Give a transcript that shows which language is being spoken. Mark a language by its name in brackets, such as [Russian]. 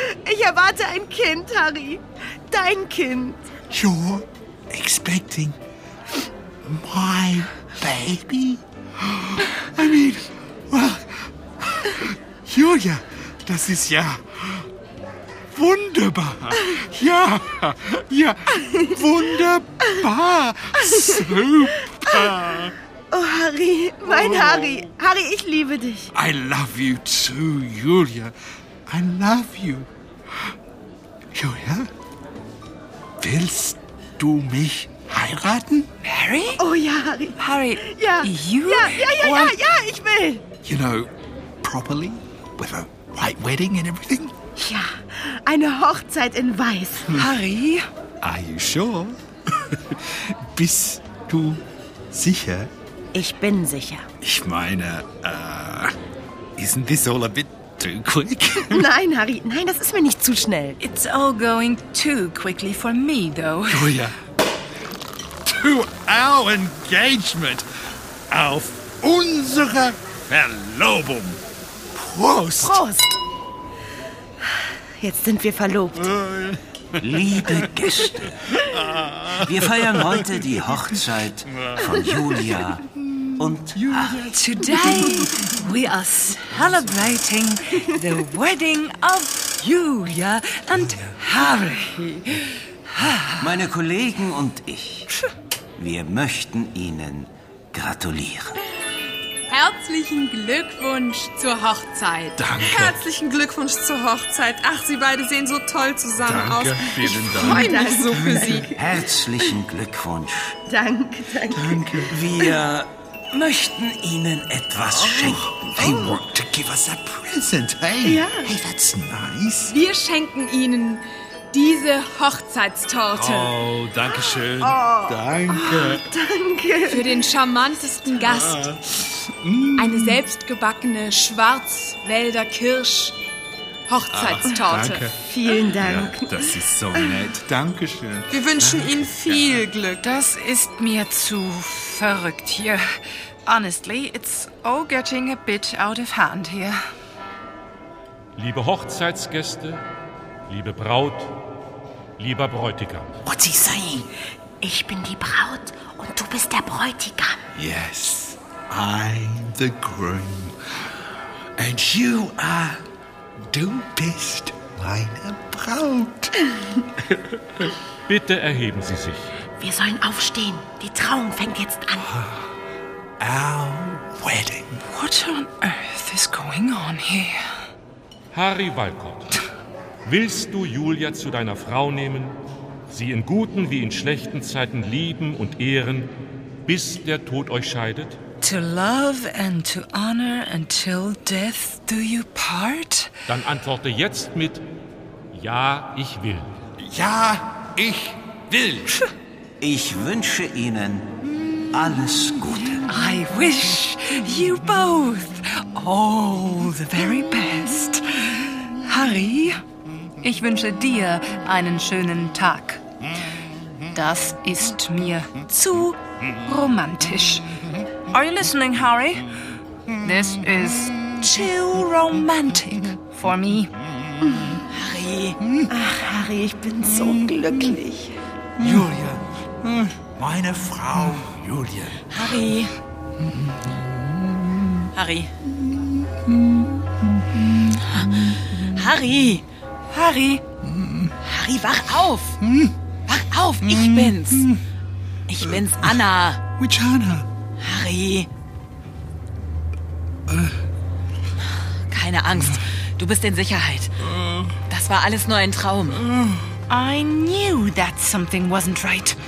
[German] Ich erwarte ein Kind, Harry. Dein Kind. [English] You're expecting my baby? I mean, well, [German] Julia, das ist ja wunderbar. Ja, ja, wunderbar. Super. Oh, Harry, mein Harry. Harry, ich liebe dich. [English] I love you too, Julia. I love you. [German] Julia, willst du mich heiraten? Mary? Oh ja, Harry. Harry, ja. [English] You? [German] Ja, ich will. [English] You know, properly, with a white wedding and everything? [German] Ja, eine Hochzeit in Weiß. Harry? [English] Are you sure? [German] Bist du sicher? Ich bin sicher. Ich meine, [English] isn't this all a bit... too quick? [German] Nein, Harry, nein, das ist mir nicht zu schnell. [English] It's all going too quickly for me, though. Julia, to our engagement, [German] auf unsere Verlobung. Prost! Prost! Jetzt sind wir verlobt. Liebe Gäste, wir feiern heute die Hochzeit von Julia und [English] today we are celebrating the wedding of Julia and Harry. [German] Meine Kollegen und ich, wir möchten Ihnen gratulieren. Herzlichen Glückwunsch zur Hochzeit. Danke. Herzlichen Glückwunsch zur Hochzeit. Ach, Sie beide sehen so toll zusammen danke, aus. Danke, vielen Dank. Ich freue mich so für Sie. Herzlichen Glückwunsch. Danke, danke. Danke. Wir... möchten Ihnen etwas schenken. [English] They want to give us a present, hey? [German] Ja. [English] Hey, that's nice. [German] Wir schenken Ihnen diese Hochzeitstorte. Oh, danke schön. Oh. Danke. Oh, danke. Für den charmantesten Gast. Eine selbstgebackene Schwarzwälder Kirsch Hochzeitstorte. Danke. Vielen Dank. Ja, das ist so nett. Dankeschön. Wir wünschen danke. Ihnen viel ja. Glück. Das ist mir zu verrückt hier. [English] Honestly, it's all getting a bit out of hand here. [German] Liebe Hochzeitsgäste, liebe Braut, lieber Bräutigam. [English] What's he saying? [German] Ich bin die Braut und du bist der Bräutigam. [English] Yes, I'm the groom. And you are... [German] Du bist meine Braut. Bitte erheben Sie sich. Wir sollen aufstehen. Die Trauung fängt jetzt an. [English] Our wedding. What on earth is going on here? [German] Harry Walcott, willst du Julia zu deiner Frau nehmen, sie in guten wie in schlechten Zeiten lieben und ehren, bis der Tod euch scheidet? [English] To love and to honor until death do you part? [German] Dann antworte jetzt mit Ja, ich will. Ja, ich will. Ich wünsche Ihnen alles Gute. [English] I wish you both all the very best. [German] Harry, ich wünsche dir einen schönen Tag. Das ist mir zu romantisch. [English] Are you listening, Harry? This is too romantic for me. Harry. [German] Ach, Harry, ich bin so glücklich. Julia. Meine Frau, Julia. Harry. Harry. Harry. Harry. Harry, wach auf. Wach auf, ich bin's. Ich bin's, Anna. [English] Which Anna? Harry. [German] Keine Angst. Du bist in Sicherheit. Das war alles nur ein Traum. [English] I knew that something wasn't right.